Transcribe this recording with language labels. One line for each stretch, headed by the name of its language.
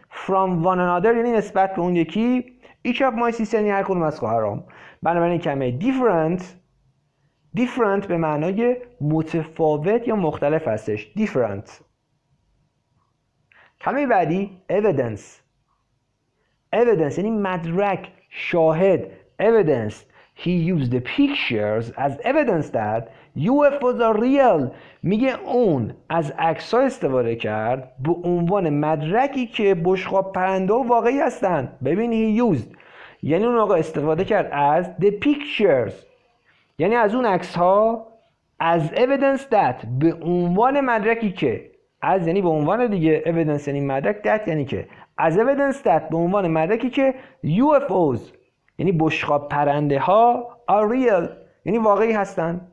English: From one another
Persian: یعنی نسبت به اون یکی.
English: Each of my sisters
Persian: یعنی هر کدوم از خواهرام. بنابراین کلمه different به معنای متفاوت یا مختلف هستش.
English: different.
Persian: کلمه بعدی evidence یعنی مدرک، شاهد.
English: evidence. He used the pictures as evidence that UFOs are real.
Persian: میگه اون از عکس ها استفاده کرد به عنوان مدرکی که بشقاب پرنده واقعی هستن. ببین
English: he used
Persian: یعنی اون آقا استفاده کرد از
English: the pictures
Persian: یعنی از اون عکس ها
English: as evidence that
Persian: به عنوان مدرکی که از یعنی به عنوان دیگه evidence یعنی مدرک that یعنی که as evidence that به عنوان مدرکی که
English: UFOs
Persian: یعنی بشقاب پرنده ها
English: are real
Persian: یعنی واقعی هستن.